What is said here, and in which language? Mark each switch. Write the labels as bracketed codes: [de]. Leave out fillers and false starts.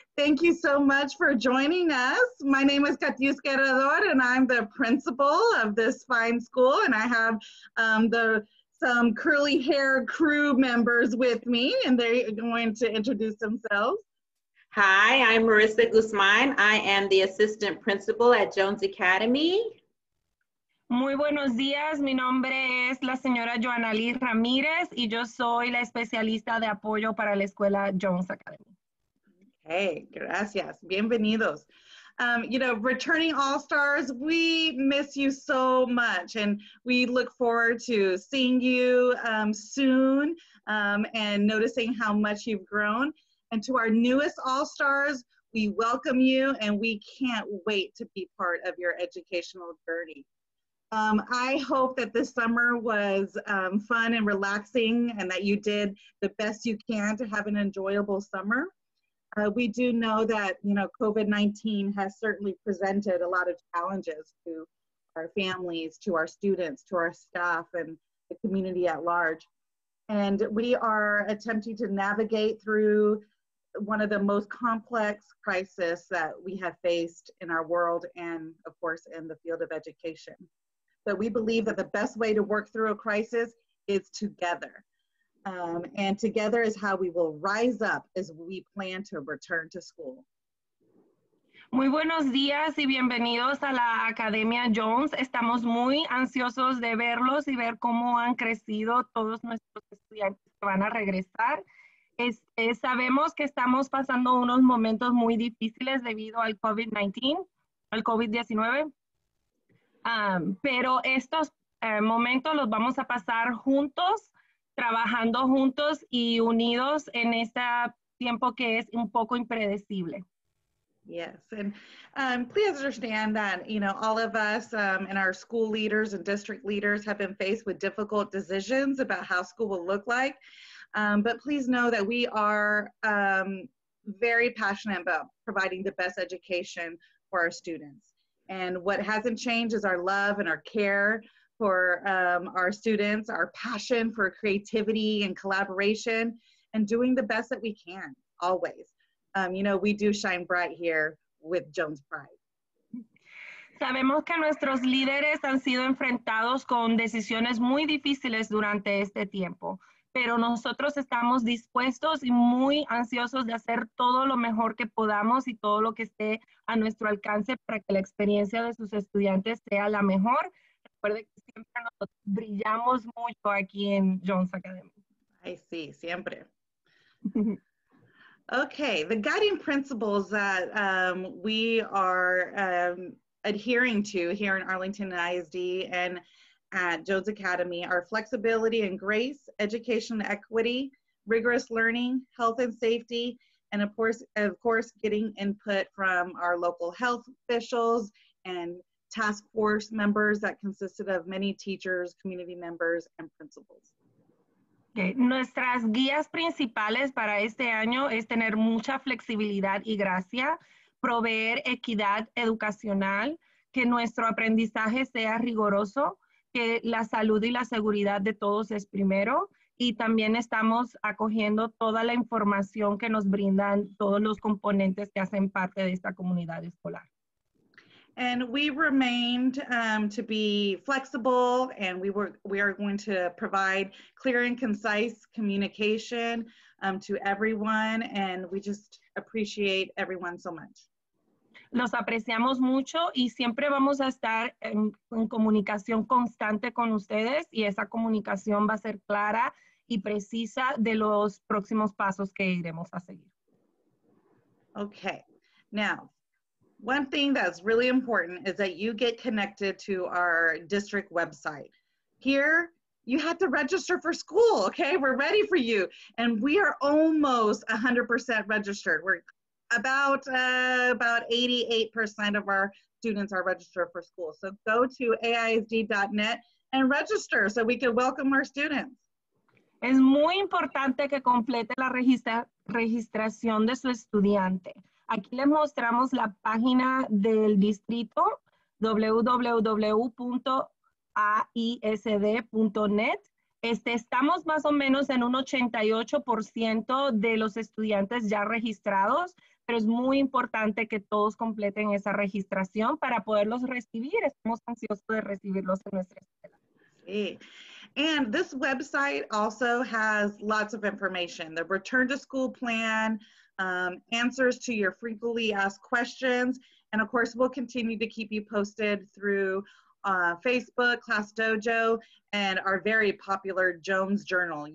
[en] Thank you so much for joining us. My name is Katius Guerrador, and I'm the principal of this fine school, and I have some curly hair crew members with me, and they're going to introduce themselves. Hi, I'm Marissa Guzman. I am the assistant principal at Jones Academy. [es] Muy buenos días, mi nombre es la señora Joanaly Ramírez y yo soy la especialista de apoyo para la escuela Jones Academy. Hey, gracias, bienvenidos. [en] You know, returning all-stars, we miss you so much and we look forward to seeing you soon and noticing how much you've grown. And to our newest all-stars, we welcome you and we can't wait to be part of your educational journey. I hope that this summer was fun and relaxing and that you did the best you can to have an enjoyable summer. We do know that, you know, COVID-19 has certainly presented a lot of challenges to our families, to our students, to our staff, and the community at large. And we are attempting to navigate through one of the most complex crises that we have faced in our world and, of course, in the field of education. But we believe that the best way to work through a crisis is together. And together is how we will rise up as we plan to return to school. [es] Muy buenos días y bienvenidos a la Academia Jones. Estamos muy ansiosos de verlos y ver cómo han crecido todos nuestros estudiantes que van a regresar. Sabemos que estamos pasando unos momentos muy difíciles debido al COVID-19, al COVID-19. Pero estos momentos los vamos a pasar juntos, trabajando juntos y unidos en este tiempo que es un poco impredecible. [en] Yes, and please understand that, you know, all of us and our school leaders and district leaders have been faced with difficult decisions about how school will look like. But please know that we are very passionate about providing the best education for our students. And what hasn't changed is our love and our care for our students, our passion for creativity and collaboration, and doing the best that we can, always. You know, we do shine bright here with Jones Pride. [es] Sabemos que nuestros líderes han sido enfrentados con decisiones muy difíciles durante este tiempo, pero nosotros estamos dispuestos y muy ansiosos de hacer todo lo mejor que podamos y todo lo que esté a nuestro alcance para que la experiencia de sus estudiantes sea la mejor. Recuerde que siempre nos brillamos mucho aquí en Jones Academy. Ay, sí, siempre. [en] Okay, the guiding principles that we are adhering to here in Arlington ISD and at Jones Academy are flexibility and grace, education and equity, rigorous learning, health and safety, and of course, getting input from our local health officials and task force members that consisted of many teachers, community members, and principals. Okay. [es] Nuestras guías principales para este año es tener mucha flexibilidad y gracia, proveer equidad educacional, que nuestro aprendizaje sea rigoroso, que la salud y la seguridad de todos es primero, y también estamos acogiendo toda la información que nos brindan todos los componentes que hacen parte de esta comunidad escolar. [en] And we remained to be flexible, and we are going to provide clear and concise communication to everyone, and we just appreciate everyone so much. [es] Los apreciamos mucho y siempre vamos a estar en comunicación constante con ustedes y esa comunicación va a ser clara y precisa de los próximos pasos que iremos a seguir. [en] Okay, now, one thing that's really important is that you get connected to our district website. Here, you have to register for school, okay? We're ready for you. And we are almost 100% registered. We're about 88% of our students are registered for school. So go to AISD.net and register so we can welcome our students. [es] Es muy importante que complete la registración de su estudiante. Aquí les mostramos la página del distrito www.aisd.net Estamos más o menos en un 88% de los estudiantes ya registrados, pero es muy importante que todos completen esa registración para poderlos recibir. Estamos ansiosos de recibirlos en nuestra escuela. Sí. [en] And this website also has lots of information. The return to school plan, answers to your frequently asked questions, and of course, we'll continue to keep you posted through Facebook, Class Dojo, and our very popular Jones Journal.